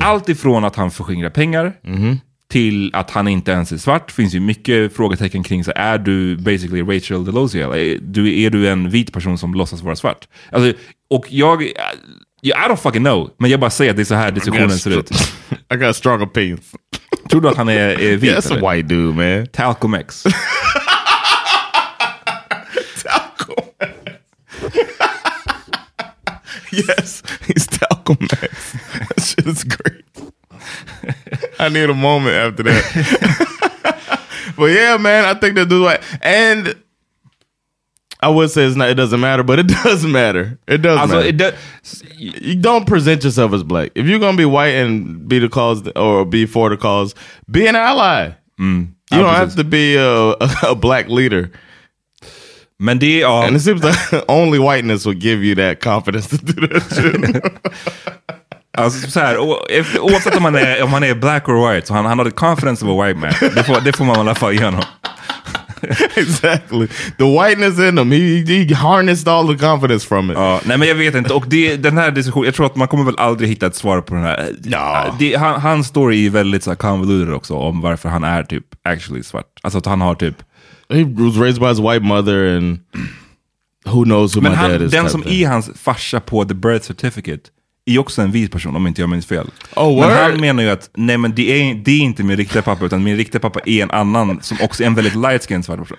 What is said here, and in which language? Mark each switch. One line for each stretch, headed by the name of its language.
Swedish: Allt ifrån att han förskingrar pengar till att han inte ens är svart, finns ju mycket frågetecken kring, så är du basically Rachel DeLozio, är du en vit person som låtsas vara svart? Alltså, och jag
English: I don't fucking know,
Swedish: men jag bara säger att det är så här diskussionen ser ut.
English: I got strong opinions.
Swedish: Tror du att han är vit?
English: That's
Swedish: eller?
English: A white dude, man. Talcum X. Talcum X. Yes, he's Talcum X. That shit's great. I need a moment after that. But yeah, man, I think that dude, like, and I would say it doesn't matter, but it does matter. It does matter. You don't present yourself as black. If you're gonna be white and be the cause or be for the cause, be an ally. You don't have to be a black leader.
Swedish: Men det,
English: and it seems like only whiteness would give you that confidence to do that shit.
Swedish: Alltså så här, oavsett om han är
English: black or white,
Swedish: så han har
English: the confidence of a white man.
Swedish: Det får man i alla fall göra.
English: Exactly. The whiteness in him, he harnessed all the confidence from it.
Swedish: Nej, men jag vet inte. Och den här diskussionen, jag tror att man kommer väl aldrig hitta ett svar på den här.
English: No.
Swedish: Hans story är väldigt så convoluted också, om varför han är typ actually svart. Alltså att han har typ...
English: He was raised by his white mother and who knows who my dad is.
Swedish: Den som är hans farsa på
English: the birth certificate...
Swedish: är också en vit person, om inte jag minns fel. Oh, men han menar ju att, nej, men det är inte min riktiga pappa, utan min riktiga pappa är en annan som också är en väldigt light-skinned svart person.